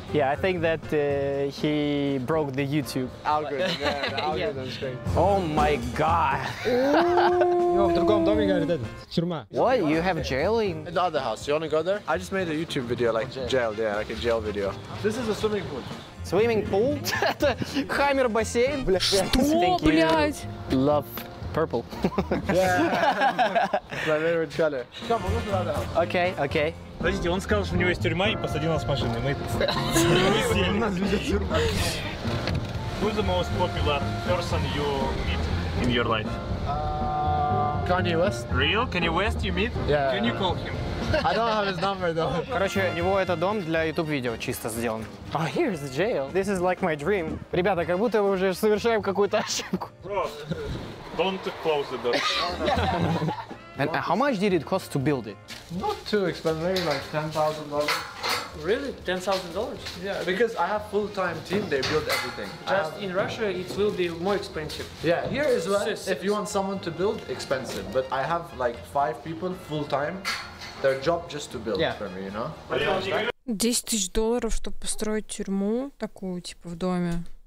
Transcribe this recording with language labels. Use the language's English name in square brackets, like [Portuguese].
[English] Yeah, I think that he broke the YouTube algorithm. Yeah. Oh my god. [Russian] Йо, в другом доме, говорит, это тюрьма. [English] What? You have jail in? In the other house. You wanna go there? I just made a YouTube video, like jail. Yeah, like a jail video. This is a swimming pool. Swimming pool? [Russian] Это хаммер бассейн? Что, блядь? [English] Love. Purple. Yeah. My favorite color. Come on, look at that. Okay. [Russian] Подождите, он сказал, что у него есть тюрьма и посадил нас в машину. Мы сели. У нас везет тюрьма. [English] Who's the most popular person you meet in your life? Kanye West. Real? Kanye West you meet? Yeah. Can you call him? I don't have his number though. [Russian] Короче, его это дом для YouTube видео чисто сделан. [English] Oh, here's the jail. This is like my dream. [Russian] Ребята, как будто мы уже совершаем какую-то ошибку. [English] Don't close the door. And how much did it cost to build it? Not too expensive, maybe like $10,000. Really? $10,000? Yeah, because I have full-time team, they build everything. Just in Russia, it will be more expensive. Yeah, here is what, if you want someone to build, expensive. But I have like 5 people full-time. Their job just to build for me, you know? [Russian] $10,000, чтобы построить тюрьму такую, типа, в доме.